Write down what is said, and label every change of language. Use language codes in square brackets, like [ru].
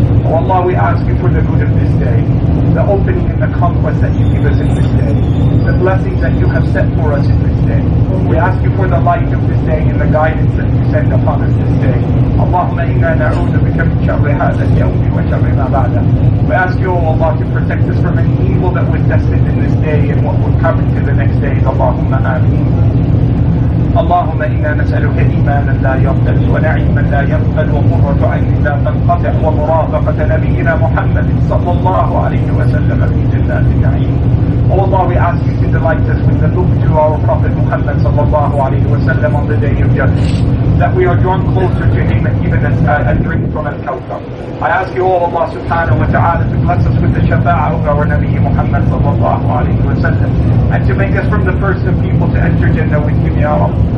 [en] والله we ask you for the good of this day, the opening and the conquest that you give us in this day, the blessings that you have set for us in this day. We ask you for the light of this day and the guidance that you send upon us this day. [ar] اللهم انا نعوذ بك من شر هذا اليوم وشر ما بعده. [en] We ask you, O Allah, to protect us from any evil that we've tested in this day and what will come into the next day. [ar] اللهم امين. اللهم انا نسالك ايمانا لا يقبل ونعيما لا يقبل وقره عين لا تنقطع ومرافقه نبينا محمد صلى الله عليه وسلم في جنات النعيم. [en] O Allah, we ask you to delight us with the look to our Prophet Muhammad sallallahu alayhi wa sallam on the day of judgment, that we are drawn closer to him and even as a drink from a kawthar. I ask you, O Allah subhanahu wa ta'ala, to bless us with the shafa'ah of our Nabi Muhammad sallallahu alayhi wa sallam, and to make us from the first of people to enter Jannah with him, ya Allah.